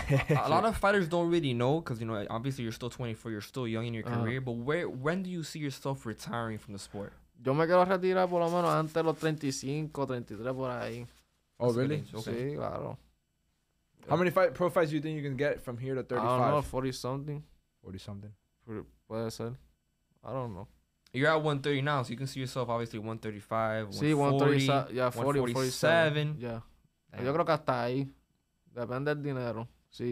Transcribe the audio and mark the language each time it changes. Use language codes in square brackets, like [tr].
[en] A lot of fighters don't really know because, you know, obviously you're still 24, you're still young in your career, but when do you see yourself retiring from the sport? [es] Yo me quiero retirar por lo menos antes de los 35, 33, por ahí. [en] Oh, really? [es] Okay. Sí, claro. [en] How many pro fights do you think you can get from here to 35? I don't know, 40-something. 40-something? [es] Puede ser. [en] I don't know. You're at 130 now, so you can see yourself obviously 135, [es] sí, [en] 140, 130, yeah, 40, 147. Yeah. Damn. [es] Yo creo que hasta ahí. Depende del dinero. Sí.